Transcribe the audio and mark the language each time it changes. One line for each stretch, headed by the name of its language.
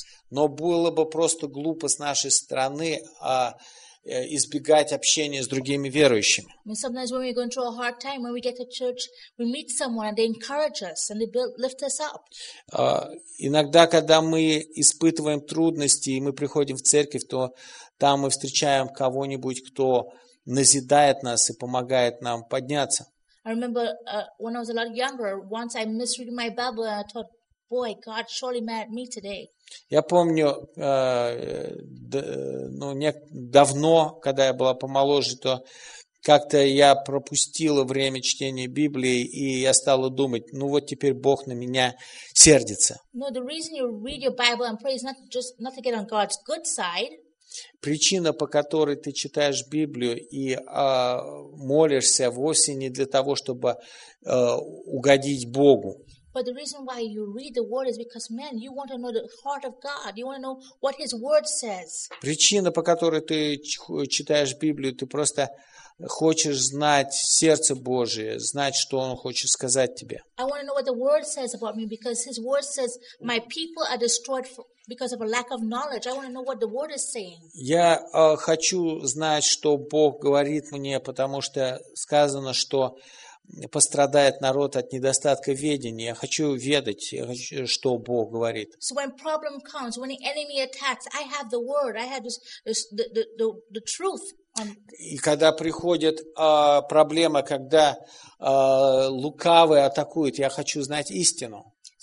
Russian: Но было бы просто глупо с нашей стороны избегать общения с другими верующими.
English: Sometimes when we're going through a hard time, when we get to church, we meet someone and they encourage us and they lift us up.
Russian: Иногда, когда мы испытываем трудности и мы приходим в церковь, то там мы встречаем кого-нибудь, кто назидает нас и помогает нам подняться.
English: I remember when I was a lot younger, once I misread my Bible and I thought, boy, God surely mad at me today.
Russian: Я помню, давно, когда я была помоложе, то как-то я пропустила время чтения Библии, и я стала думать, ну вот теперь Бог на меня сердится.
English: No, the reason you read your Bible and pray is not to get on God's good side.
Russian: Причина, по которой ты читаешь Библию и молишься, вовсе не для того, чтобы угодить Богу.
English: But the reason why you read the word is because, man, you want to know the heart of God. You want to know what His word says.
Russian: Причина, по которой ты читаешь Библию, ты просто хочешь знать сердце Божие, знать, что Он хочет сказать тебе.
English: I want to know what the Word says about me, because His Word says my people are destroyed because of a lack of knowledge. I want to know what the Word is saying.
Russian: Я хочу знать, что Бог говорит мне, потому что сказано, что пострадает народ от недостатка ведения. Я хочу ведать, я хочу, что Бог говорит.
English: So when problem comes, when the enemy attacks, I have the Word. I have the truth.
Russian: И когда приходит проблема, когда лукавые атакуют, я хочу знать истину.